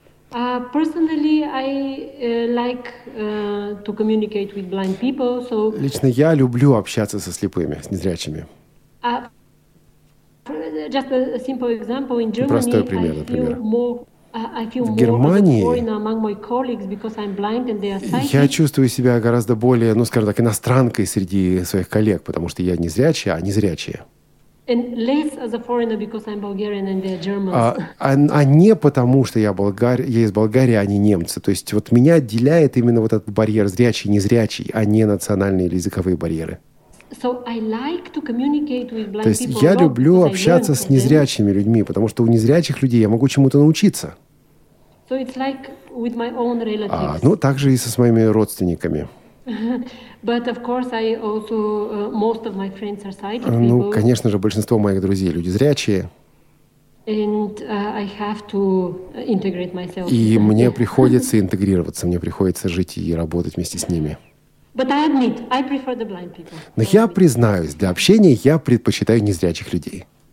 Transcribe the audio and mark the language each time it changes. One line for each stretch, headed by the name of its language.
English: Personally, I like to communicate with blind people, so...
Russian: Лично я люблю общаться со слепыми, с незрячими.
English: Just a simple example. In Germany,
Russian: простой пример, например. В Германии я чувствую себя гораздо более, ну, скажем так, иностранкой среди своих коллег, потому что я не зрячая, а незрячая. А не потому, что я из Болгарии, а не немцы. То есть вот меня отделяет именно вот этот барьер зрячий-незрячий, а не национальные или языковые барьеры.
English: So I like to communicate with blind
Russian: То есть я люблю общаться с незрячими людьми, потому что у незрячих людей я могу чему-то научиться.
English: So it's like with my own relatives.
Russian: А, ну, так же и со своими родственниками.
English: But of course I also, most of my friends are sighted people.
Russian: Ну, конечно же, большинство моих друзей – люди зрячие.
English: And, I have to integrate myself.
Russian: И мне приходится интегрироваться, мне приходится жить и работать вместе с ними.
English: But I admit, I prefer the blind people.
Russian: Но я признаюсь, для общения я предпочитаю незрячих людей.